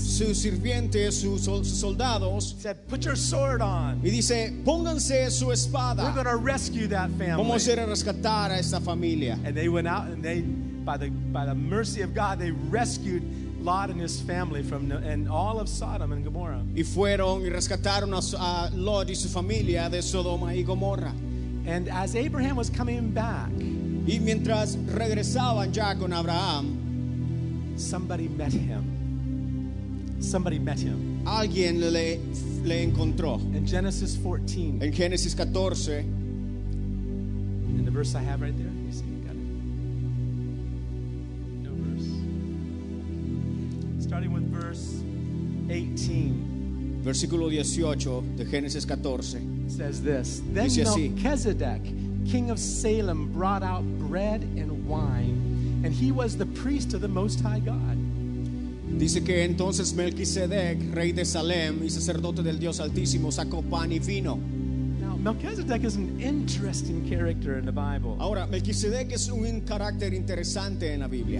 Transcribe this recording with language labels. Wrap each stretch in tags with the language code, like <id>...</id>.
<es>sus sirvientes, sus soldados,</es> <en>said, "Put your sword on."</en> <es>Y dice, pónganse su espada.</es> <en>We're going to rescue that family.</en> <es>Vamos a ir a rescatar a esta familia.</es> <en>And they went out and they. By the mercy of God, they rescued Lot and his family from and all of Sodom and Gomorrah.</en> <es>Y fueron y rescataron a Lot y su familia de Sodoma y Gomorra.</es> <en>And as Abraham was coming back,</en> <es>y mientras regresaban ya con Abraham,</es> <en>somebody met him. Somebody met him.</en> <es>Alguien le encontró.</es> <en>In Genesis 14.</en> <es>En Génesis 14.</es> <en>In the verse verse I have right there? You see, got it. No verse. Starting with verse 18.</en> <es>Versículo 18 de Génesis 14.</es> <en>Says this. Then Melchizedek, king of Salem, brought out bread and wine, and he was the priest of the Most High God.</en> <es>Dice que entonces Melquisedec, rey de Salem y sacerdote del Dios Altísimo, sacó pan y vino.</es> <en>Now, Melchizedek is an interesting character in the Bible.</en> <es>Ahora, Melquisedec es un carácter interesante en la Biblia.</es>